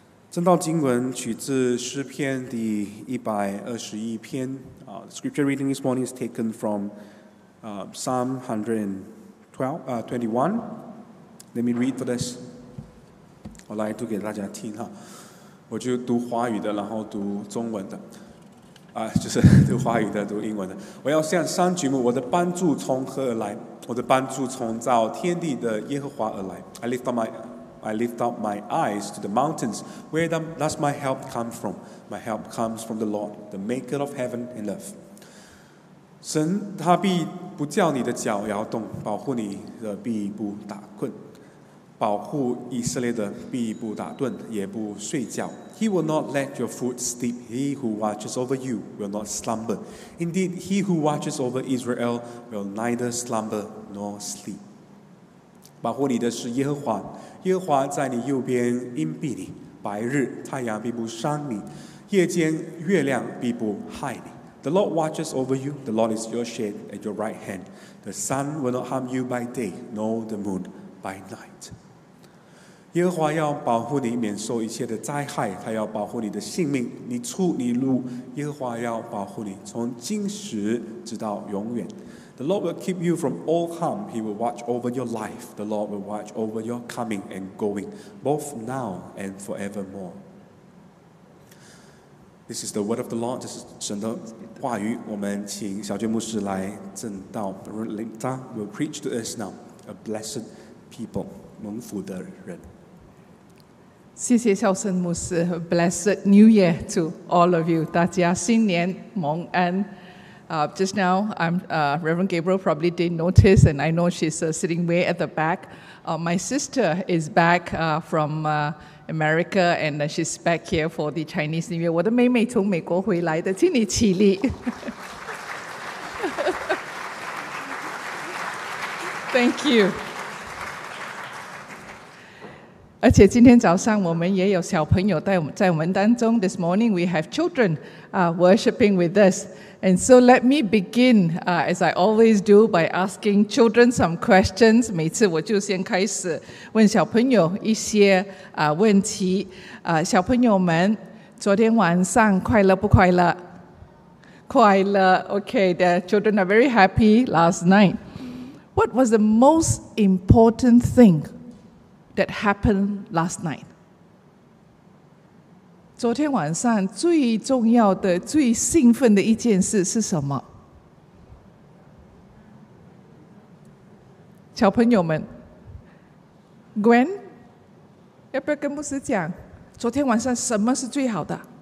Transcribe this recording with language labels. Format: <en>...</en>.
<zh>正道经文取自诗篇第121篇。</zh> <en>Scripture reading this morning is taken from Psalm 121. Let me read for this.</en> <zh>我来读给大家听哈。我就读华语的，然后读中文的。就是读华语的，读英文的。我要向山举目，我的帮助从何而来？我的帮助从造天地的耶和华而来。</zh> <en>I lift up my eyes to the mountains. Where does my help come from? My help comes from the Lord, the maker of heaven and earth.</en> <zh>神他必不叫你的脚摇动，保护你的必不打困，保护以色列的必不打盹，也不睡觉。</zh> <en>He will not let your foot slip. He who watches over you will not slumber. Indeed, he who watches over Israel will neither slumber nor sleep.</en> <zh>保护你的是耶和华，耶和华在你右边荫庇你，白日太阳必不伤你，夜间月亮必不害你。</zh> <en>The Lord watches over you. The Lord is your shade at your right hand. The sun will not harm you by day, nor the moon by night.</en> <zh>耶和华要保护你免受一切的灾害，他要保护你的性命，你出你入，耶和华要保护你从今时直到永远。</zh> <en>The Lord will keep you from all harm. He will watch over your life. The Lord will watch over your coming and going, both now and forevermore. This is the word of the Lord. This is</en> <zh>神的话语。我们请小娟牧师来证道。</zh> <en>Reverend Lin Zhang will preach to us now. A blessed people,</en> <zh>蒙福的人。谢谢孝圣牧师。</zh> <en>A blessed New Year to all of you.</en> <zh>大家新年蒙恩。</zh> <en>Just now, Reverend Gabriel probably didn't notice, and I know she's sitting way at the back. My sister is back from America, and she's back here for the Chinese New Year.</en> <zh>我的妹妹从美国回来的，请你起立。</zh> <en>Thank you.</en> <zh>而且今天早上我们也有小朋友在我们当中。</zh> <en>This morning we have children worshiping with us. And so let me begin, as I always do, by asking children some questions.</en> <zh>每次我就先开始问小朋友一些问题。小朋友们，昨天晚上快乐不快乐？快乐。</zh> <en>Okay, the children are very happy last night. What was the most important thing that happened last night?</en> <zh>昨天晚上最重要的、最兴奋的一件事是什么？小朋友们 ，Gwen， 要不要跟牧师讲，昨天晚上什么是最好的？</zh>